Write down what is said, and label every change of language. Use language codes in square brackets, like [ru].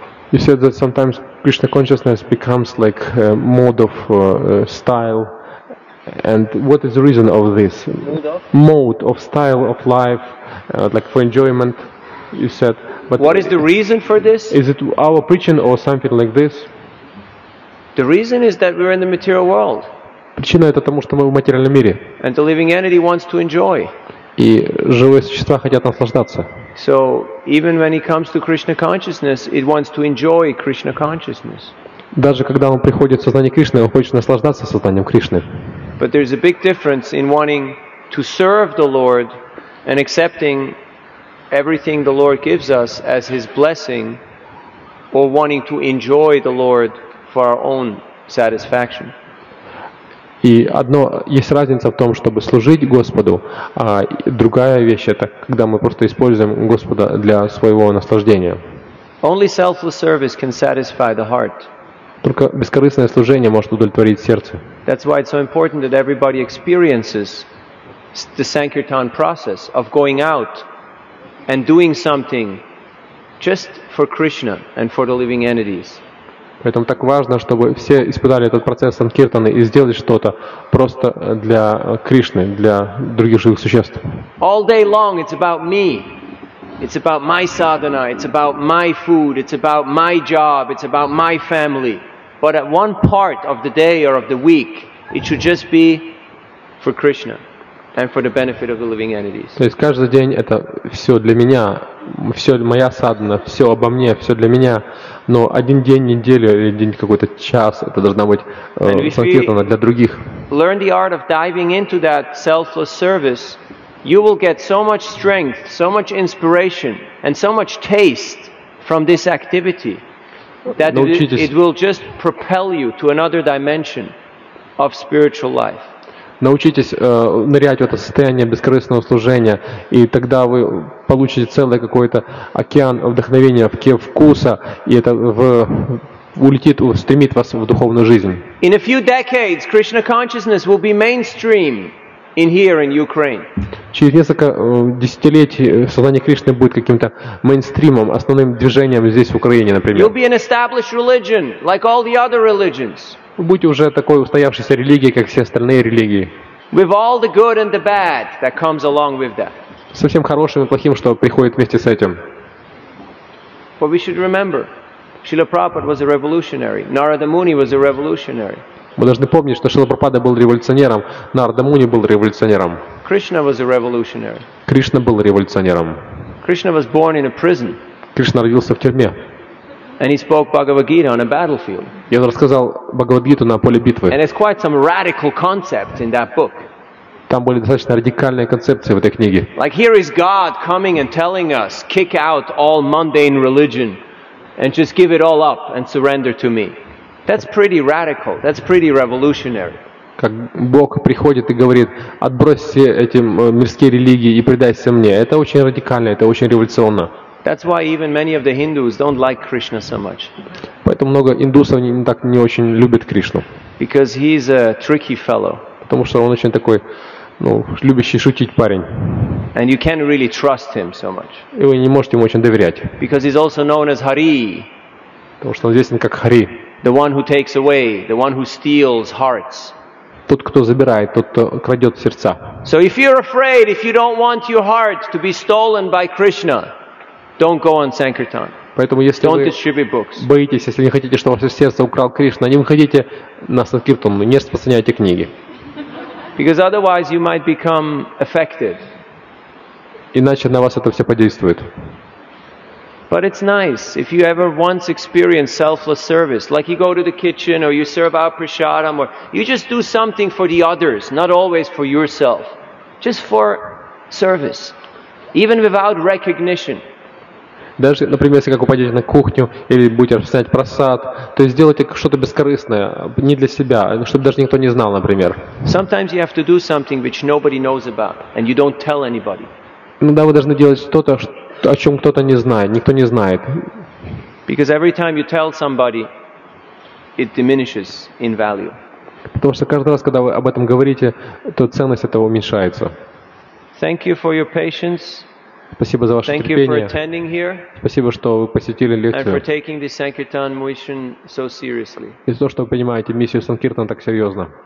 [en] You said that sometimes Krishna consciousness becomes like a mode of style. And what is the reason of this? Mode of style of life, like for enjoyment, you said. But what is the reason for this? Is it our preaching or something like this? The reason is that we're in the material world. [ru] Причина это тому, что мы в материальном мире. [en] And the living entity wants to enjoy. [ru] И живые существа хотят наслаждаться. [en] So even when he comes to Krishna consciousness, it wants to enjoy Krishna consciousness. [ru] Даже когда он приходит в сознание Кришны, он хочет наслаждаться сознанием Кришны. [en] But there's a big difference in wanting to serve the Lord and accepting everything the Lord gives us as his blessing, or wanting to enjoy the Lord for our own satisfaction. [ru] И одно есть разница в том, чтобы служить Господу, а другая вещь это когда мы просто используем Господа для своего наслаждения. [en] Only selfless service can satisfy the heart. [ru] Только бескорыстное служение может удовлетворить сердце. [en] That's why it's so important that everybody experiences the sankirtan process of going out and doing something just for Krishna and for the living entities. [ru] Поэтому так важно, чтобы все испытали этот процесс санкиртаны и сделали что-то просто для Кришны, для других живых существ. [en] All day long it's about me. It's about my sadhana, it's about my food, it's about my job, it's about my family. But at one part of the day or of the week, it should just be for Krishna and for the benefit of the living entities. [ru] То есть каждый день это все для меня, все моя садхана, все обо мне, все для меня. Но один день, неделя или день какой-то час, это должна быть санкиртана для других. [en] Learn the art of diving into that selfless service. You will get so much strength, so much inspiration, and so much taste from this activity. that it will just propel you to another dimension of spiritual life. [ru] Научитесь нырять в это состояние бескорыстного служения, и тогда вы получите целый какой-то океан вдохновения, вкуса, и это улетит, устремит вас в духовную жизнь. [en] In a few decades, Krishna consciousness will be mainstream in here in Ukraine. [ru] Через несколько десятилетий сознание Кришны будет каким-то мейнстримом, основным движением здесь, в Украине, например. [en] You'll be an established religion, like all the other religions. [ru] Вы будете уже такой устоявшейся религией, как все остальные религии. [en] With all the good and the bad that comes along with that. [ru] Со всем хорошим и плохим, что приходит вместе с этим. [en] But we should remember, Srila Prabhupada was a revolutionary. Narada Muni was a revolutionary. [ru] Мы должны помнить, что Шрила Прабхупада был революционером, Нарада Муни был революционером. [en] Krishna was a revolutionary. [ru] Кришна был революционером. [en] Krishna was born in a prison. [ru] Кришна родился в тюрьме. [en] And he spoke Bhagavad Gita on a battlefield. [ru] И он рассказал Бхагавад-гиту на поле битвы. [en] And there's quite some radical concepts in that book. [ru] Там были достаточно радикальные концепции в этой книге. [en] Like here is God coming and telling us, kick out all mundane religion and just give it all up and surrender to me. That's pretty radical. That's pretty revolutionary. [ru] Как Бог приходит и говорит: "Отбрось все эти мирские религии и предайся мне". Это очень радикально, это очень революционно. [en] That's why even many of the Hindus don't like Krishna so much. [ru] Поэтому много индусов не очень любят Кришну. [en] Because he's a tricky fellow. [ru] Потому что он очень такой, любящий шутить парень. [en] And you can't really trust him so much. [ru] И вы не можете ему очень доверять. [en] Because he's also known as Hari. [ru] Потому что он известен как Хари. [en] The one who takes away, the one who steals hearts. [ru] Тот, кто забирает, тот, кто крадет сердца. [en] So if you're afraid, if you don't want your heart to be stolen by Krishna, don't go on Sankirtan. [ru] Поэтому если [en] don't [ru] вы [en] distribute books. [ru] Боитесь, если не хотите, чтобы ваше сердце украл Кришна, не выходите на Санкиртан, не распространяйте книги. [en] Because otherwise you might become affected. [ru] Иначе на вас это все подействует. [en] But it's nice if you ever once experience selfless service, like you go to the kitchen or you serve out prasadam or you just do something for the others, not always for yourself, just for service, even without recognition. [ru] Даже, например, если как вы пойдете на кухню или будете распространять просад, то есть сделайте что-то бескорыстное, не для себя, чтобы даже никто не знал, например. [en] Sometimes you have to do something which nobody knows about and you don't tell anybody. [ru] Иногда вы должны делать что-то, о чем кто-то не знает, никто не знает. [en] Because every time you tell somebody, it diminishes in value. [ru] Потому что каждый раз, когда вы об этом говорите, то ценность этого уменьшается. [en] Thank you for your patience. [ru] Спасибо за ваше [en] Thank [ru] терпение. [en] You for attending here. [ru] Спасибо, что вы посетили лекцию. [en] And for taking this Sankirtan mission so seriously. [ru] И за то, что вы принимаете миссию Санкиртан так серьезно.